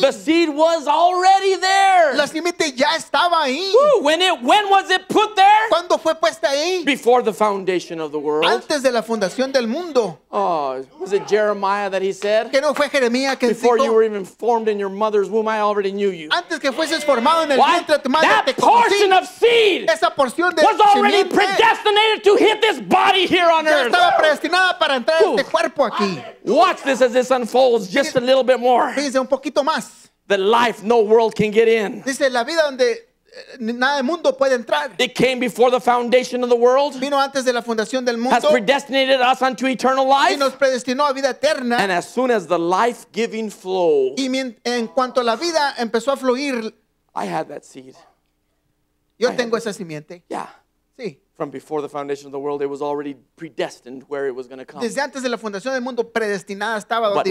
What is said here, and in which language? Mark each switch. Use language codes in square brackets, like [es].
[en] The seed was already there. [es] La simiente ya estaba ahí. [en] Ooh, when was it put there? [es] ¿Cuándo fue puesta ahí? [en] Before the foundation of the world. [es] Antes de la fundación del mundo. [en] Oh, was it Jeremiah that he said? [es] ¿Que no fue Jeremías que dijo? [en] Before you were even formed in your mother's womb, I already knew you. [es] Antes que fueses formado en el vientre de tu madre, [en] that portion of seed. [es] Esa porción de [en] was already predestinated to hit this body here on earth. [es] Ya estaba predestinada para entrar a este cuerpo aquí. [en] Watch this as this unfolds just a little bit more. [es] Dice un poquito más. [en] The life no world can get in. [es] Dice la vida donde nada del mundo puede entrar. [en] It came before the foundation of the world. [es] Vino antes de la fundación del mundo. [en] Has predestinated us unto eternal life. [es] Y nos predestinó a vida eterna. [en] And as soon as the life-giving flow. [es] Y en cuanto la vida empezó a fluir. [en] I had that seed. [es] Yo tengo esa simiente. [en] Yeah. [es] Sí. [en] From before the foundation of the world, it was already predestined where it was going to come. [es] Desde antes de la fundación del mundo, predestinada estaba donde